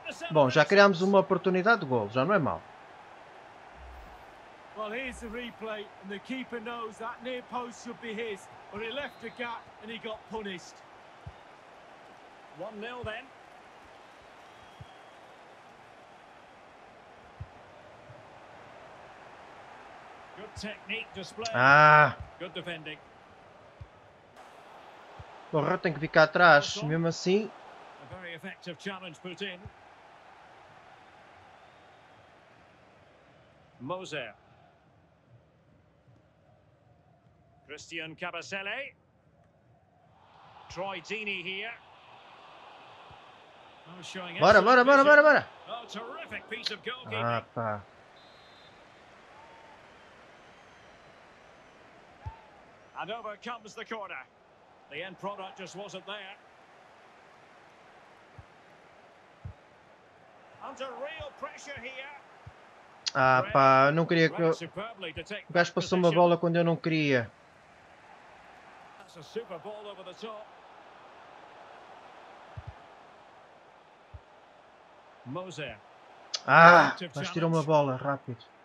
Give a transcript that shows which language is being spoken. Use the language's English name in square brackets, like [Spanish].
[Portuguese] Bom, já criámos uma oportunidade de golo, já não é mal. [English] Well, here's the replay, and the keeper knows that near post should be his, but he left a gap and he got punished. 1-0 then. Good technique display. Ah. Good defending. [Portuguese] Porra, tem que ficar atrás, mesmo assim. [English] A very effective challenge put in. Moser. Christian Cabasele. Troy Deeney here. [Portuguese] Bora, bora, bora, bora, bora. [English] Oh, terrific piece of goalkeeping. [Portuguese] Ah, pá. [English] And over comes the corner. The end product just wasn't there. Under real pressure here. [Portuguese] Ah, pá, não queria que eu... O gajo passou uma bola quando eu não queria. [English] A super ball over the top. [Portuguese] Moser. Ah, mas tirou uma bola rápido.